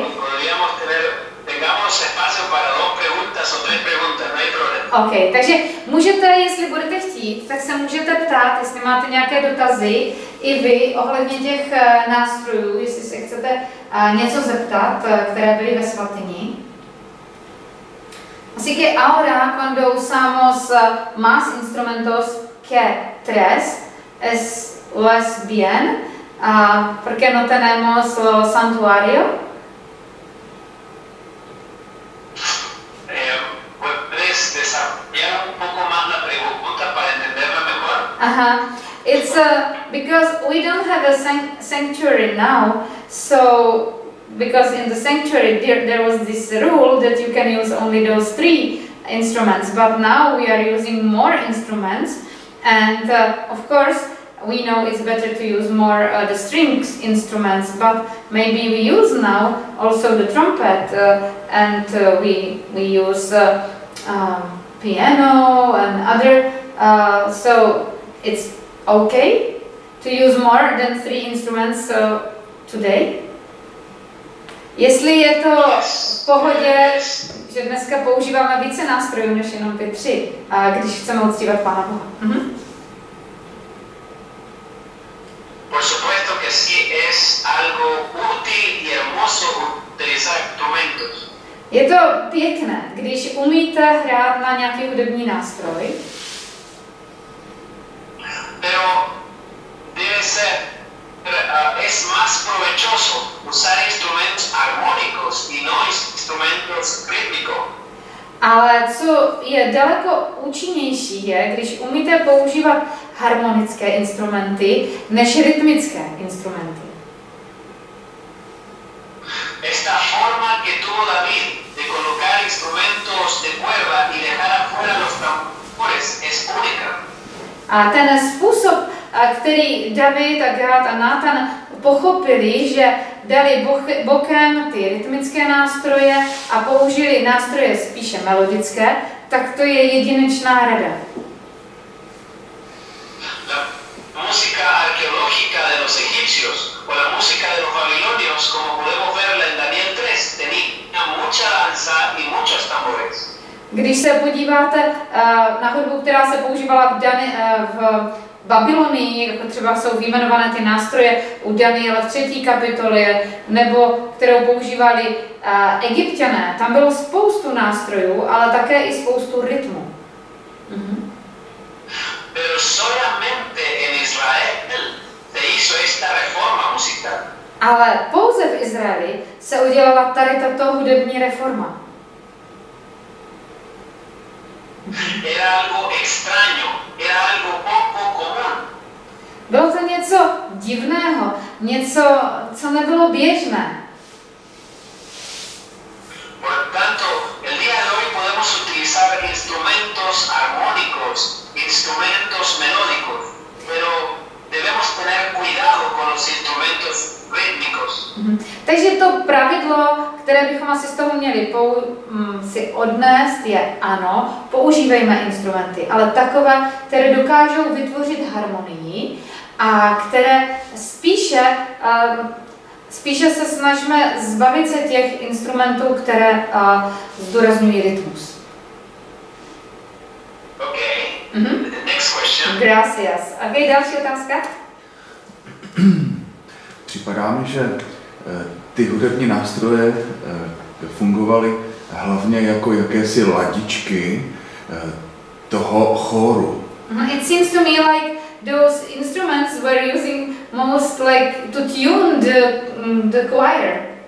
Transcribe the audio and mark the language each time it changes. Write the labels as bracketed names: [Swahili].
[Spanish] Podríamos tengamos espacio para dos preguntas o tres preguntas, no hay problema. [Czech] Ok, takže můžete, jestli budete chtít, tak se můžete ptát, jestli máte nějaké dotazy i vy ohledně těch nástrojů, jestli se chcete něco zeptat, které byly ve svatyni. [Spanish] Así que ahora cuando usamos más instrumentos que tres, es lo es bien, porque no tenemos el santuario. ¿Puedes desarrollar un poco más la pregunta para entenderla mejor? Ajá. [English] It's because we don't have a sanctuary now, so. Because in the sanctuary there was this rule that you can use only those three instruments, but now we are using more instruments, and of course we know it's better to use more the string instruments, but maybe we use now also the trumpet and we use piano and other, so it's okay to use more than three instruments today. [Czech] Jestli je to v pohodě, že dneska používáme více nástrojů než jenom ty tři, a když chceme uctívat Pána Boha. [Spanish] Por supuesto que sí, es algo útil y hermoso utilizar instrumentos. [Czech] Je to pěkné, když umíte hrát na nějaký hudební nástroj. [Spanish] Pero debe ser es más provechoso usar instrumentos armónicos y no instrumentos rítmicos. [Czech] Ale co je daleko účinnější je, když umíte používat harmonické instrumenty než rytmické instrumenty. [Spanish] Esta forma que tuvo David de colocar instrumentos de cuerda y dejar afuera los tambores es única. [Czech] A ten způsob, který David a Gad a Nathan pochopili, že dali bokem ty rytmické nástroje a použili nástroje spíše melodické, tak to je jedinečná rada. [Spanish] La música arqueológica de los egipcios o la música de los babilonios, como podemos verla en Daniel 3, tenía mucha danza y muchos tambores. [Czech] Když se podíváte na hudbu, která se používala v Babylonii, jako třeba jsou vyjmenované ty nástroje u Daniela v 3. kapitole, nebo kterou používali Egypťané, tam bylo spoustu nástrojů, ale také i spoustu rytmu. [Spanish] Pero solamente en Israel se hizo esta reforma musical. [Czech] Ale pouze v Izraeli se udělala tady tato hudební reforma. [Spanish] Era algo extraño, era algo poco común. [Czech] Bylo to něco divného, něco, co nebylo běžné. [Spanish] Por tanto, el día de hoy podemos utilizar instrumentos armónicos, instrumentos melódicos, pero debemos tener cuidado con los instrumentos rítmicos. [Czech] Takže to pravidlo, které bychom asi z toho měli si odnést, je ano, používejme instrumenty, ale takové, které dokážou vytvořit harmonii a které spíše se snažíme zbavit se těch instrumentů, které zdůrazňují rytmus. [English] OK, next question. [Spanish] Gracias. [Czech] OK, další otázka? Připadá mi, že ty hudební nástroje fungovaly hlavně jako jakési ladičky toho chóru. [English] It seems to me like those instruments were using most like to tune the choir.